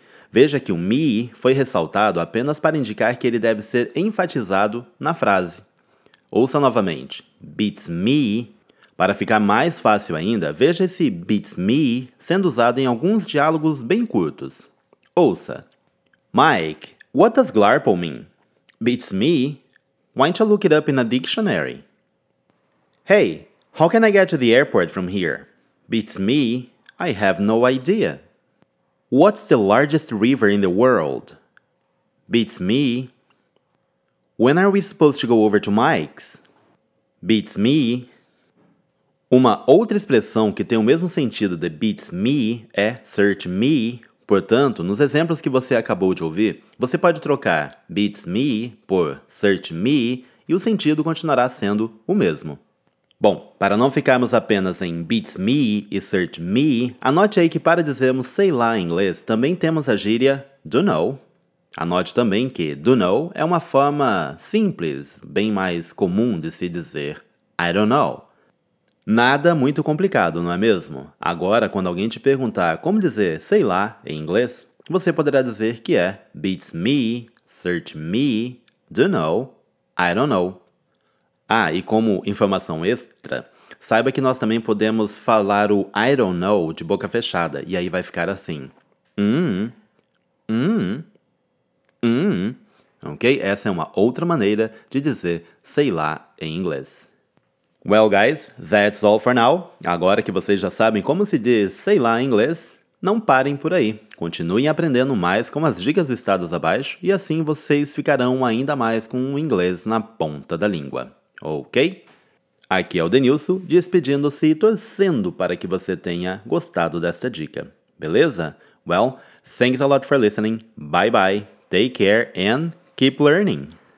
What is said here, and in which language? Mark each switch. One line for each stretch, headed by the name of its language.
Portuguese: Veja que o me foi ressaltado apenas para indicar que ele deve ser enfatizado na frase. Ouça novamente, beats me. Para ficar mais fácil ainda, veja esse beats me sendo usado em alguns diálogos bem curtos. Ouça.
English: Mike, what does glarpo mean? Beats me? Why don't you look it up in a dictionary? Hey, how can I get to the airport from here? Beats me, I have no idea. What's the largest river in the world? Beats me. When are we supposed to go over to Mike's? Beats me.
Portuguese: Uma outra expressão que tem o mesmo sentido de beats me é search me. Portanto, nos exemplos que você acabou de ouvir, você pode trocar beats me por search me e o sentido continuará sendo o mesmo. Bom, para não ficarmos apenas em beats me e search me, anote aí que para dizermos sei lá em inglês, também temos a gíria do know. Anote também que do know é uma forma simples, bem mais comum de se dizer I don't know. Nada muito complicado, não é mesmo? Agora, quando alguém te perguntar como dizer sei lá em inglês, você poderá dizer que é beats me, search me, do know, I don't know. Ah, e como informação extra, saiba que nós também podemos falar o I don't know de boca fechada, e aí vai ficar assim. Ok? Essa é uma outra maneira de dizer sei lá em inglês.
English: Well, guys, that's all for now.
Portuguese: Agora que vocês já sabem como se diz sei lá em inglês, não parem por aí. Continuem aprendendo mais com as dicas listadas abaixo e assim vocês ficarão ainda mais com o inglês na ponta da língua. Ok? Aqui é o Denilson, despedindo-se e torcendo para que você tenha gostado desta dica. Beleza?
English: Well, thanks a lot for listening. Bye-bye. Take care and keep learning.